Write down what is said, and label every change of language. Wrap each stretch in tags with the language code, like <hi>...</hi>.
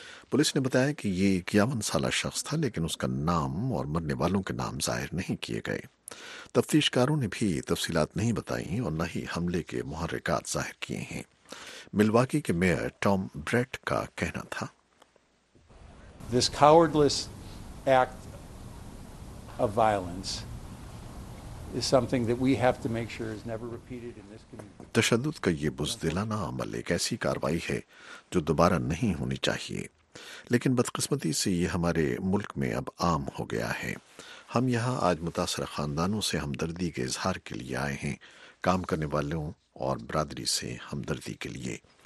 <ur>Police نے بتایا کہ یہ 51 سالہ شخص تھا، لیکن اس کا نام اور مرنے والوں کے نام ظاہر نہیں کیے گئے. تفتیش کاروں نے بھی تفصیلات نہیں بتائیں اور نہ ہی حملے کے محرکات ظاہر کیے ہیں. ملواکی کے میئر ٹام بریٹ کا کہنا تھا،</ur> <en>of violence is something that we have to make sure is never repeated in this community.</en> <ur>تشدد کا یہ بزدلانہ عمل ایک ایسی کاروائی ہے جو دوبارہ نہیں ہونی چاہیے، لیکن بدقسمتی سے یہ ہمارے ملک میں اب عام ہو گیا ہے. ہم یہاں آج متاثرہ خاندانوں سے ہمدردی کے اظہار کے لیے آئے ہیں، کام کرنے والوں اور برادری سے ہمدردی کے لیے.</ur>